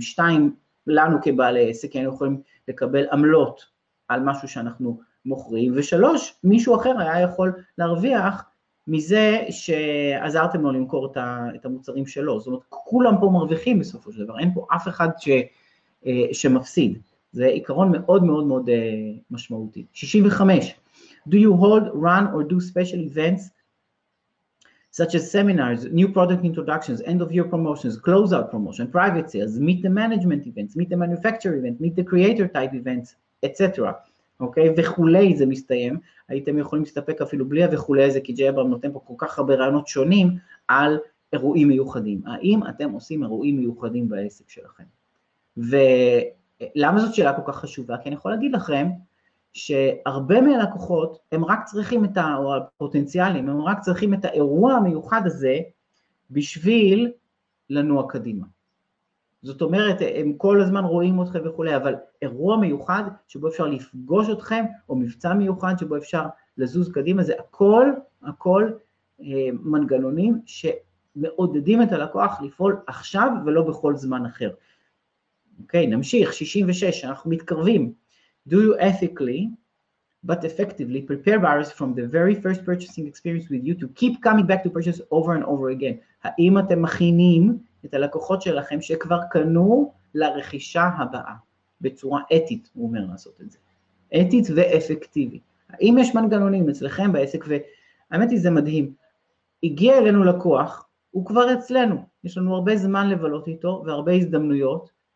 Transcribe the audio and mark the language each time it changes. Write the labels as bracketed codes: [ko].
[he] שתיים, לנו כבעלי עסק, כי אנחנו יכולים לקבל עמלות על משהו שאנחנו מוכרים. ושלוש, מישהו אחר היה יכול להרוויח מזה שעזרתם לו למכור את המוצרים שלו. זאת אומרת, כולם פה מרוויחים בסופו של דבר. אין פה אף אחד שמפסיד. זה עיקרון מאוד מאוד מאוד משמעותי. 65. [en] Do you hold, run, or do special events such as seminars, new product introductions, end of year promotions, closeout promotion, private sales, meet the management events, meet the manufacturer event, meet the creator type events, etc. [he] אוקיי? וכולי זה מסתיים. הייתם יכולים להסתפק אפילו בלי וכולי זה, כי ג'יי אברהם נותן פה כל כך הרבה רעיונות שונים על אירועים מיוחדים. האם אתם עושים אירועים מיוחדים בעסק שלכם? ולמה זאת שאלה כל כך חשובה? כי אני יכול להגיד לכם, שהרבה מהלקוחות הם רק צריכים את הפוטנציאלים, הם רק צריכים את האירוע המיוחד הזה בשביל לנוע קדימה. זאת אומרת, הם כל הזמן רואים אתכם וכולי, אבל אירוע מיוחד שבו אפשר לפגוש אתכם, או מבצע מיוחד שבו אפשר לזוז קדימה, זה הכל, הכל מנגנונים שמעודדים את הלקוח לפעול עכשיו ולא בכל זמן אחר. אוקיי, נמשיך, 66, אנחנו מתקרבים. [en] Do you ethically, but effectively, prepare buyers from the very first purchasing experience with you to keep coming back to purchase over and over again? [he] האם אתם מכינים את הלקוחות שלכם שכבר קנו לרכישה הבאה? בצורה אתית, הוא אומר לעשות את זה. אתית ואפקטיבי. האם יש מנגנונים אצלכם בעסק? והאמת היא זה מדהים. הגיע אלינו לקוח, הוא כבר אצלנו. יש לנו הרבה זמן לבלות איתו והרבה הזדמנויות.